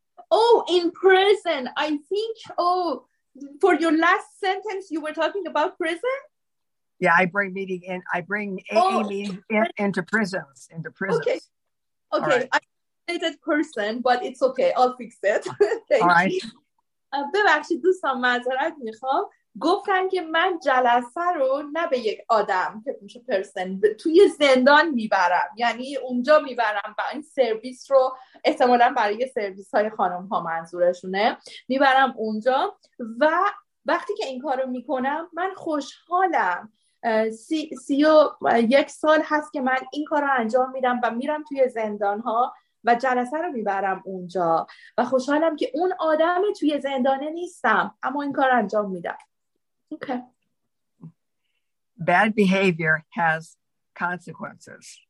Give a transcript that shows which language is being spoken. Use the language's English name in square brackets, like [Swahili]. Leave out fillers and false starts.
[English] Oh, in prison, I think. Oh, for your last sentence, you were talking about prison. Yeah, I bring AA meetings into prisons. Okay. Okay. Right. I'm a dedicated person, but it's okay. I'll fix it. Thank All you. Right. [Persian] ببخشید دوستان، معذرت میخوام. گفتن که من جلسه رو نه به یک آدم که میشه پرسن توی زندان میبرم، یعنی اونجا میبرم و این سرویس رو احتمالا برای سرویس های خانم ها منظورشونه، میبرم اونجا و وقتی که این کارو میکنم من خوشحالم. 31 سال هست که من این کار رو انجام میدم و میرم توی زندان ها و جلسه رو میبرم اونجا و خوشحالم که اون آدم توی زندانه نیستم اما این کار رو انجام میدم. [English] Okay. Bad behavior has consequences.